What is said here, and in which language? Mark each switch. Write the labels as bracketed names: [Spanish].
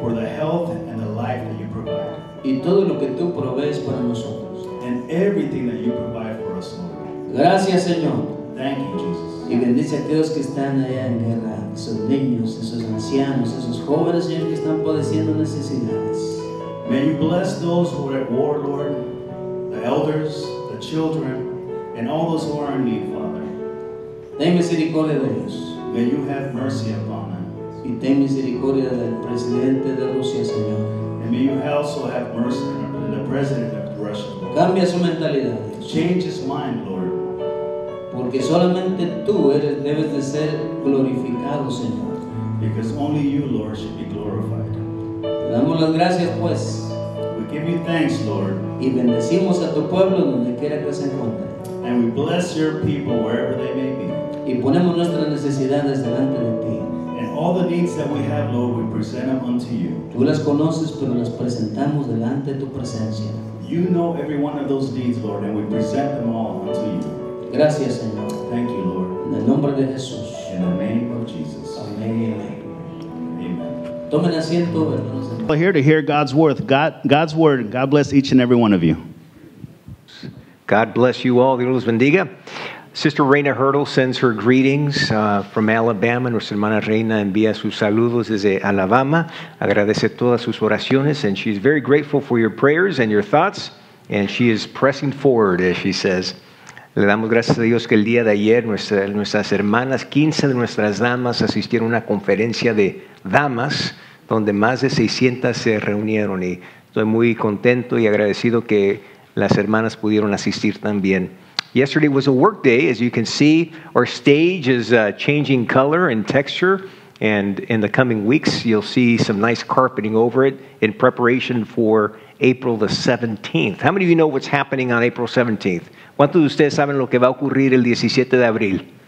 [English] For the health and the life that you provide. [Spanish] Y todo lo que tú provees para nosotros. [English] And everything that you provide for us, Lord. [Spanish] Gracias, Señor. [English] Thank you, Jesus. [Spanish] Y bendice a aquellos que están allá en guerra, esos niños, esos ancianos, esos jóvenes, Señor, que están padeciendo necesidades. [English] May you bless those who are at war, Lord, the elders, the children, and all those who are in need, Father. [Spanish] Ten misericordia de ellos. [English] May you have mercy upon them. [Spanish] Y ten misericordia del presidente de Rusia, Señor. [English] And may you also have mercy on the president of Russia. [Spanish] Cambia su mentalidad. [English] Change his mind, Lord. [Spanish] Porque solamente tú eres, debes de ser glorificado, Señor. [English] Because only you, Lord, should be glorified. [Spanish] Te damos las gracias, pues. [English] We give you thanks, Lord. [Spanish] Y bendecimos a tu pueblo donde quiera que se encuentre. [English] And we bless your people wherever they may be. [Spanish] Y ponemos nuestras necesidades delante de ti. [English] And all the needs that we have, Lord, we present them unto you. [Spanish] Tú las conoces, pero las presentamos delante de tu presencia. [English] You know every one of those needs, Lord, and we present them all unto you. [Spanish] Gracias, Señor. [English] Thank you, Lord. [Spanish] En el nombre de Jesús. [English] In the name of Jesus. Amen. Amen. Amen. Here to hear God's word. God's word. God bless each and every one of you. God bless you all. [Spanish] Dios los bendiga. [English] Sister Reina Hurdle sends her greetings from Alabama. [Spanish] Nuestra hermana Reina envía sus saludos desde Alabama. Agradece todas sus oraciones. [English] And she's very grateful for your prayers and your thoughts. And she is pressing forward, as she says. [Spanish] Le damos gracias a Dios que el día de ayer nuestras hermanas, 15 de nuestras damas, asistieron a una conferencia de damas donde más de 600 se reunieron. Y estoy muy contento y agradecido que las hermanas pudieron asistir también. [English] Yesterday was a work day. As you can see, our stage is changing color and texture. And in the coming weeks, you'll see some nice carpeting over it in preparation for April the 17th. How many of you know what's happening on April 17th? [Spanish] ¿Cuántos de ustedes saben lo que va a ocurrir el 17 de abril?